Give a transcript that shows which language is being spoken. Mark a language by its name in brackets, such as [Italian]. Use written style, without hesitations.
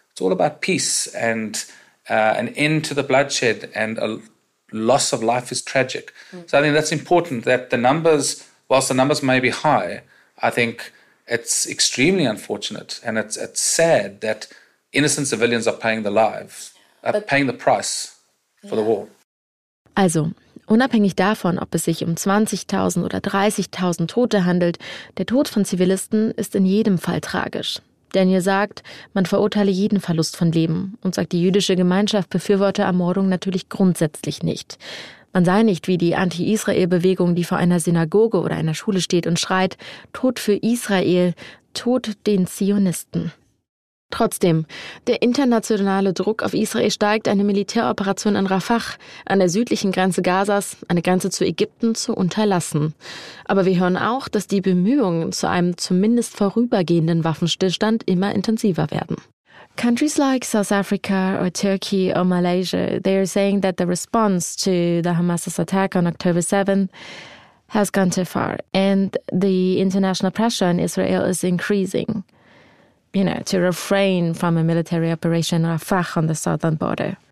[English] It's all about peace and an end to the bloodshed, and a loss of life is tragic. Mm. So I think that's important that the numbers, whilst the numbers may be high, I think it's extremely unfortunate and it's sad that innocent civilians are paying the price for the war. [German] Also, Unabhängig davon, ob es sich um 20.000 oder 30.000 Tote handelt, der Tod von Zivilisten ist in jedem Fall tragisch. Daniel sagt, man verurteile jeden Verlust von Leben und sagt, die jüdische Gemeinschaft befürworte Ermordung natürlich grundsätzlich nicht. Man sei nicht wie die Anti-Israel-Bewegung, die vor einer Synagoge oder einer Schule steht und schreit, Tod für Israel, Tod den Zionisten. Trotzdem, der internationale Druck auf Israel steigt, eine Militäroperation in Rafah, an der südlichen Grenze Gazas, eine Grenze zu Ägypten, zu unterlassen. Aber wir hören auch, dass die Bemühungen zu einem zumindest vorübergehenden Waffenstillstand immer intensiver werden. [English] Countries like South Africa or Turkey or Malaysia, they are saying that the response to the Hamas's attack on October 7th has gone too far and the international pressure on Israel is increasing. You know, to refrain from a military operation Rafah on the southern border.